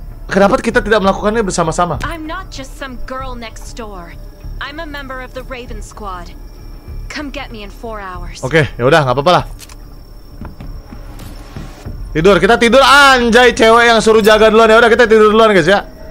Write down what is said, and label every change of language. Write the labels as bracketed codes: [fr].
[id] Kenapa kita tidak melakukannya bersama-sama? [en] I'm not just some girl next door. I'm a member of the Raven Squad. Come get me in 4 hours. [id] Oke, ya udah, nggak apa-apa lah. Tidur, kita tidur anjay, cewek yang suruh jaga duluan. Ya udah kita tidur duluan guys ya.